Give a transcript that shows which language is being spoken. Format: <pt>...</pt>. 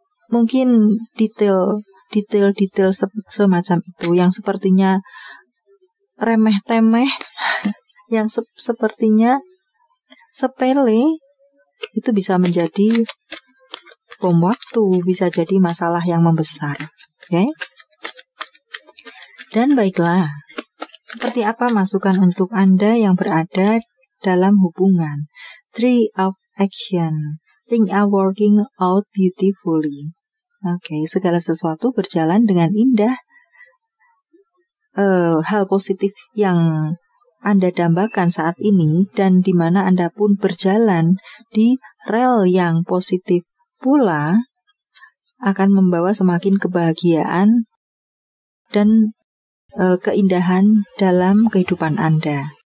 <id>Mungkin detail-detail semacam itu yang sepertinya remeh-temeh, yang sepertinya sepele, itu bisa menjadi bom waktu, bisa jadi masalah yang membesar. Okay? Dan baiklah, seperti apa masukan untuk Anda yang berada dalam hubungan?</id> <en>Three of action, things are working out beautifully.</en> <id>Okay, segala sesuatu berjalan dengan indah. Hal positif yang Anda dambakan saat ini dan di mana Anda pun berjalan di rel yang positif pula akan membawa semakin kebahagiaan dan keindahan dalam kehidupan Anda.</id>